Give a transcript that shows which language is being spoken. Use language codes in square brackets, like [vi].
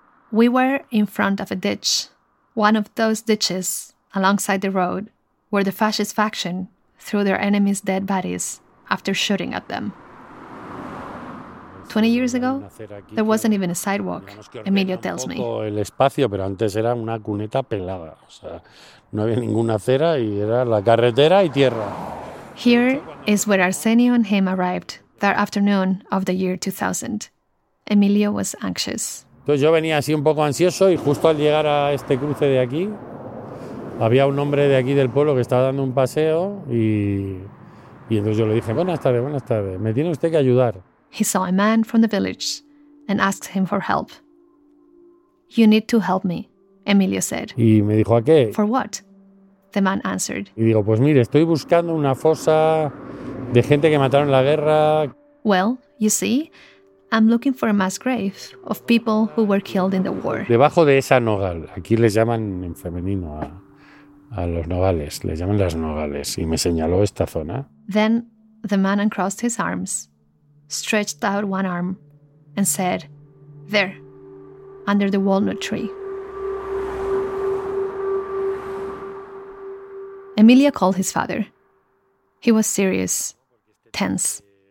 [en] We were in front of a ditch, one of those ditches alongside the road where the fascist faction threw their enemies' dead bodies after shooting at them. 20 years ago, there wasn't even a sidewalk, Emilio tells me. [es] El espacio, pero antes era una cuneta pelada. O sea, no había ninguna acera y era la carretera y tierra. [en] Here is where Arsenio and him arrived that afternoon of the year 2000. Emilio was anxious. [es] Entonces yo venía así un poco ansioso y justo al llegar a este cruce de aquí, había un hombre de aquí del pueblo que estaba dando un paseo y entonces yo le dije, buenas tardes, me tiene usted que ayudar. [en] He saw a man from the village and asked him for help. You need to help me, Emilio said. [es] Y me dijo, ¿a qué? [en] For what? The man answered. [es] Y digo, pues mire, estoy buscando una fosa de gente que mataron en la guerra. [en] Well, you see, I'm looking for a mass grave of people who were killed in the war. [es] Debajo de esa nogal, aquí les llaman en femenino a los nogales, les llaman las nogales, y me señaló esta zona. [en] Then the man uncrossed his arms, stretched out one arm, and said, there, under the walnut tree. Emilio called his father. He was serious, tense.